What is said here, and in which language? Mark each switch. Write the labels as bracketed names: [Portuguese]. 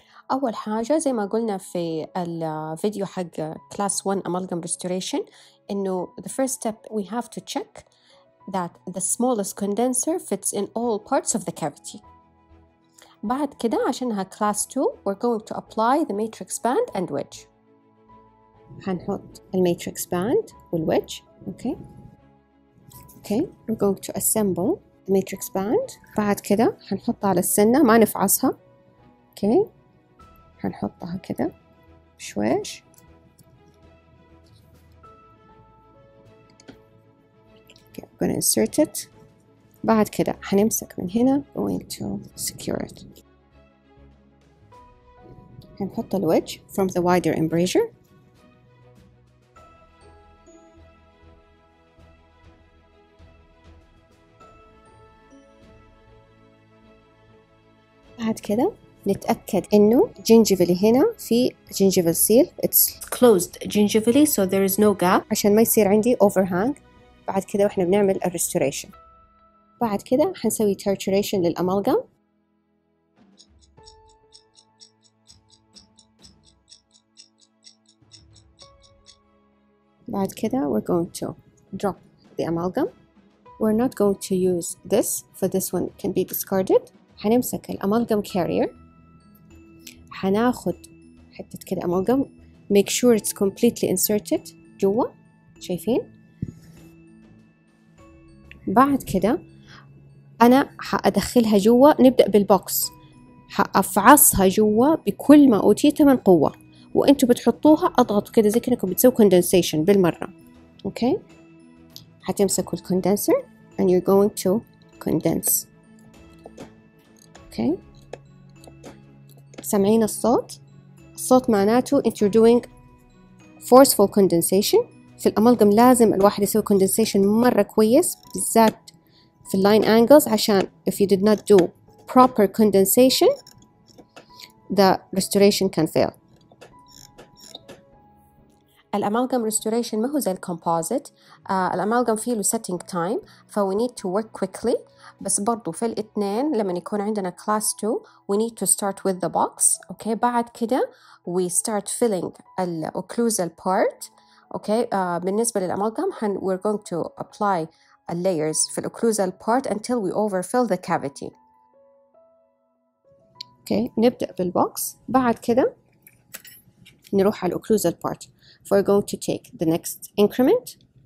[Arabic] اول حاجة زي ما قلنا في الفيديو حق [English] class 1 amalgam restoration انه the first step we have to check that the smallest condenser fits in all parts of the cavity. [Arabic] بعد كده عشانها [English] class 2 we're going to apply the matrix band and wedge. [Arabic] حنحط الماتريكس باند والويدج. [English] Okay okay we're going to assemble the matrix band. [Arabic] بعد كده حنحطها على السنة ما نفعصها. اوكي حنحطها كده بشويش. [English] Okay I'm gonna insert it. [Arabic] بعد كده حنمسك من هنا [English] going to secure it. [Arabic] حنحط الويدج [English] from the wider embrasure. [Arabic] بعد كده نتأكد إنه جينجيفلي هنا في جينجيفل سيل [English] it's closed gingivally so there is no gap [Arabic] عشان ما يصير عندي overhang. بعد كده وإحنا بنعمل restoration بعد كده حنسوي trituration للأمالغام. بعد كده [English] we're going to drop the amalgam. We're not going to use this for this one can be discarded. [Arabic] حنمسك الأمالغام كارير حناخد حتة كده أمالغام [English] make sure it's completely inserted [Arabic] جوا شايفين. بعد كده أنا حأدخلها جوا نبدأ بالبوكس حأفعصها جوا بكل ما أوتيته من قوة وأنتوا بتحطوها أضغطوا كده زي كأنكم بتسوي كوندنسيشن بالمرة. أوكي حتمسكوا الكوندنسر [English] and you're going to condense. Okay. [Arabic] سمعين الصوت؟ الصوت معناته انت [English] you're doing forceful condensation. [Arabic] في الأمالغام لازم الواحد يسوي [English] condensation مرة كويس بالذات في line angles عشان if you did not do proper condensation the restoration can fail. [Arabic] الأمالغام restoration ما هو زي الكومبوزيت. الأمالغام فيه له setting time ف [English] we need to work quickly. [Arabic] بس برضو في الاثنين لما يكون عندنا [English] class 2 we need to start with the box. okay [Arabic] بعد كده [English] we start filling the occlusal part. okay [Arabic] بالنسبة للأمالغام [English] we're going to apply layers في الأوكلوزال part until we overfill the cavity. [Arabic] okay نبدأ بالbox بعد كده نروح على الأوكلوزال part. [English] we're going to take the next increment.